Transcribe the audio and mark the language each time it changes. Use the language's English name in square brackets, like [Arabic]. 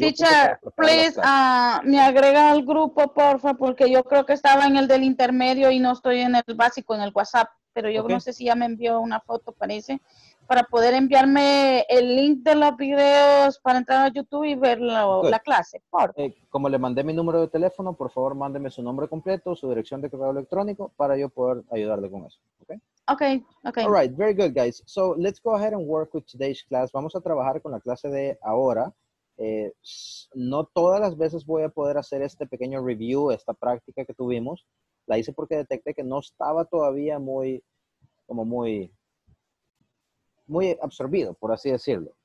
[Spanish] Teacher, please, me agrega al grupo, porfa, porque yo creo que estaba en el del intermedio y no estoy en el básico, en el WhatsApp, pero yo no sé si ya me envió una foto, parece, para poder enviarme el link de los videos para entrar a YouTube y ver la clase, por favor. Como le mandé mi número de teléfono, por favor, mándeme su nombre completo, su dirección de correo electrónico, para yo poder ayudarle con eso, ¿ok? [English] Okay. All right, very good, guys. So, let's go ahead and work with today's class. [Spanish] Vamos a trabajar con la clase de ahora. No todas las veces voy a poder hacer este pequeño review, esta práctica que tuvimos. La hice porque detecté que no estaba todavía muy absorbido, por así decirlo.